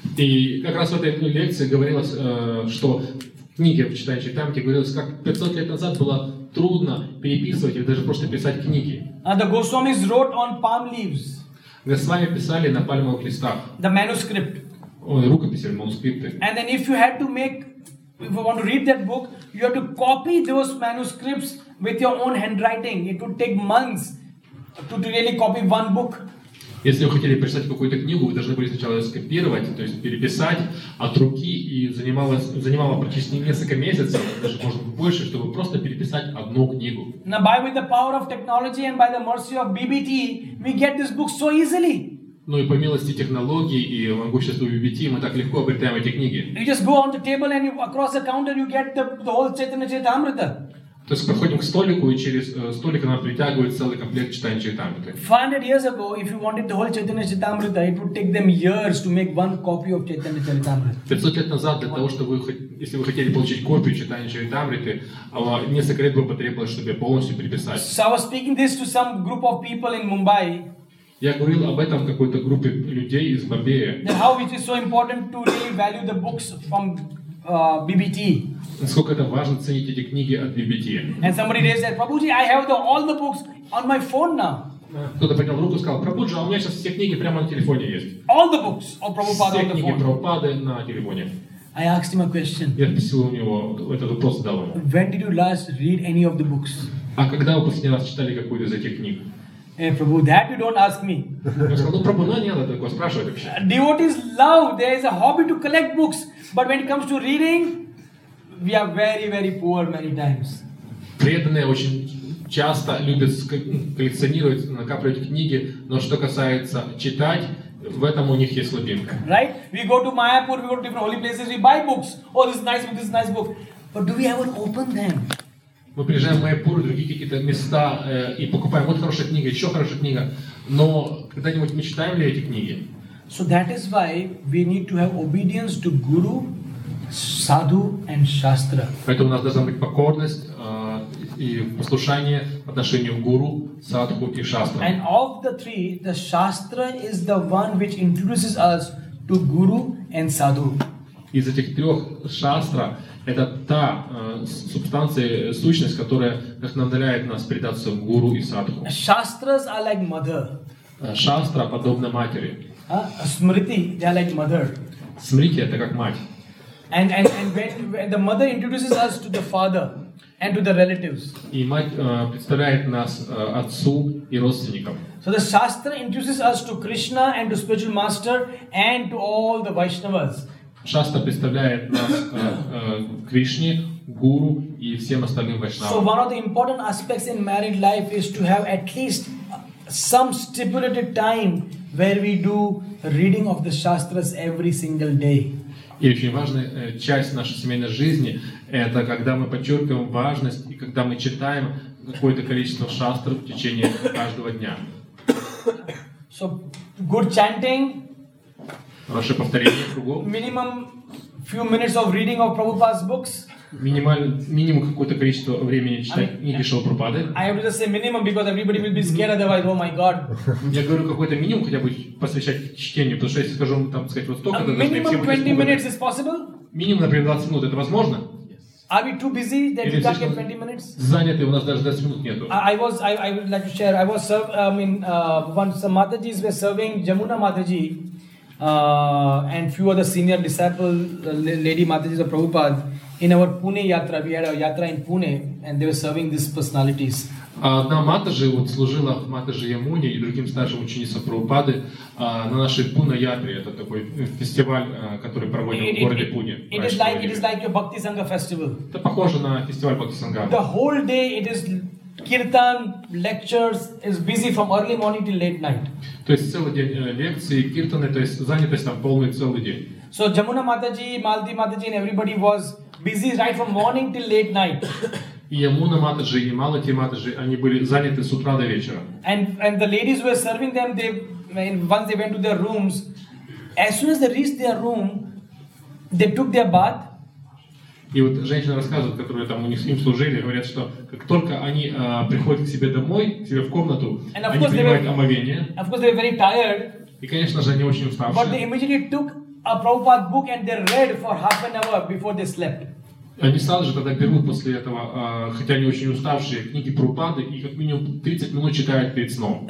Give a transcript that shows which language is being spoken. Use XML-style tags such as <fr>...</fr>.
<ru>И как раз в этой лекции говорилось, что книги в читании Чайтамрите говорилось, как 500 лет назад было трудно переписывать или даже просто писать книги.</ru> <en>The Goswamis wrote on palm leaves.</en> <ru>Госвами писали на пальмовых листах.</ru> <en>The manuscript.</en> <ru>Рукописи, манускрипты.</ru> <en>And then if you had to make, if you want to read that book, you had to copy those manuscripts with your own handwriting. It would take months to really copy one book.</en> <ru>Если вы хотели прочитать какую-то книгу, вы должны были сначала ее скопировать, то есть переписать от руки, и занимало практически несколько месяцев, даже может быть больше, чтобы просто переписать одну книгу.</ru> <en>Now by with the power of technology and by the mercy of BBT, we get this book so easily.</en> <ru>Ну и по милости технологий и могуществу BBT мы так легко обретаем эти книги.</ru> <en>You just go on the table and across the counter you get the whole Chaitanya Charitamrita.</en> <ru>То есть проходим к столику, и через столик нам притягивает целый комплект Чайтанья Чайтамриты.</ru> <en>500 years ago, if you wanted the whole Чайтанья Чайтамрита, it would take them years to make one copy of Чайтанья Чайтамрита.</en> <ru>500 лет назад, для того, чтобы, если вы хотели получить копию Чайтанья Чайтамриты, несколько лет бы потребовалось, чтобы полностью переписать.</ru> <en>So I was speaking this to some group of people in Mumbai.</en> <ru>Я говорил об этом какой-то группе людей из Бомбея.</ru> <en>How it is so important to really value the books from BBT.</en> <ru>Насколько это важно ценить эти книги от BBT.</ru> <en>And somebody raised their Prabhuji, I have all the books on my phone now.</en> <ru>Кто-то поднял руку и сказал, Прабхуджи, а у меня сейчас все книги прямо на телефоне есть.</ru> <en>All the books of Prabhupada on the phone.</en> <ru>Все книги Прабхупады на телефоне.</ru> <en>I asked him a question.</en> <ru>Я спросил у него, этот вопрос задал ему.</ru> <en>When did you last read any of the books?</en> <ru>А когда вы последний раз читали какую-то из этих книг?</ru> <en>Hey, Prabhu, that you don't ask me. Devotees love, there is a hobby to collect books. But when it comes to reading, we are very, very poor many times.</en> <ru>Преданные очень часто любят коллекционировать, накапливать книги, но что касается читать, в этом у них есть слабинка.</ru> <en>Right? We go to Mayapur, we go to different holy places, we buy books. Oh, this is a nice book, this is a nice book. But do we ever open them?</en> <ru>Мы приезжаем в Майяпур, другие какие-то места и покупаем вот хорошая книга, еще хорошая книга. Но когда-нибудь мы читаем ли эти книги?</ru> <en>So that is why we need to have obedience to Guru, Sadhu and Shastra.</en> <ru>Поэтому у нас должна быть покорность и послушание в отношении Гуру, Садху и Шастра.</ru> <en>And of the three, the Shastra is the one which introduces us to Guru and Sadhu.</en> <ru>Из этих трех Шастра это та субстанция, сущность, которая вдохновляет нас предаться гуру и садху.</ru> <en>Shastras are like mother.</en> <ru>Шастра подобна матери.</ru> <en>Smriti, they are like mother.</en> <ru>Смрити это как мать.</ru> <en>And when the mother introduces us to the father and to the relatives.</en> <ru>И мать представляет нас отцу и родственникам.</ru> <en>So the Shastra introduces us to Krishna and to spiritual master and to all the Vaishnavas.</en> <ru>Шастра представляет нас Кришне, Гуру и всем остальным вайшнавам.</ru> <en>So one of the important aspects in married life is to have at least some stipulated time where we do reading of the Shastras every single day.</en> <ru>И очень важная часть нашей семейной жизни это когда мы подчеркиваем важность и когда мы читаем какое-то количество шастр в течение каждого дня.</ru> <en>So good chanting.</en> <ru>Хорошее повторение кругом.</ru> <en>Minimum few minutes of reading of Prabhupada's books.</en> <ru>Минимум какое-то количество времени читать книги Шрилы Прабхупады.</ru> <en>I have to just say minimum because everybody will be scared otherwise. Oh my God.</en> <ru>Я говорю какой-то минимум хотя бы посвящать чтению, потому что если скажу там сказать вот столько, то даже не все будет.</ru> <en>Minimum 20 minutes is possible?</en> <ru>Минимум, например, 20 минут это возможно?</ru> <en>Are we too busy that we can't get 20 minutes?</en> <ru>Заняты, у нас даже 20 минут нету.</ru> <en>I would like to share. I was serve. I mean, once Matajis were serving Jamuna Mataji. And few other senior disciples, Lady Matajis of Prabhupada, in our Pune Yatra, we had a Yatra in Pune, and they were serving these personalities.</en> <ru>Одна Матаджи вот служила в Матаджи Ямуне и другим старшим ученицам Прабхупады на нашей Пуна Ятре, это такой фестиваль, который проводим в городе Пуне.</ru> <en>It is like your Bhakti Sangha festival.</en> <ru>Это похоже на фестиваль Бхакти Сангха.</ru> <en>The whole day it is Kirtan, lectures is busy from early morning till late night.</en> <ru>То есть целый день лекции, киртаны, то есть занятость там полный целый день.</ru> <en>So Jamuna Mataji, Malati Mataji and everybody was busy right from morning till late night.</en> <ru>И Jamuna Mataji и Malati Mataji, они были заняты с утра до вечера.</ru> <en>And the ladies were serving them, once they went to their rooms, as soon as they reached their room, they took their bath.</en> <ru>И вот женщины рассказывают, которые там у них с ним служили, говорят, что как только они приходят к себе домой, к себе в комнату, они принимают омовение.</ru> <en>Of course, they were very tired.</en> <ru>И, конечно же, они очень уставшие.</ru> <en>But they immediately took a Prabhupada book and they read for half an hour before they slept.</en> <ru>Они сразу же тогда берут после этого, хотя они очень уставшие, книги Прабхупады и как минимум 30 минут читают перед сном.</ru>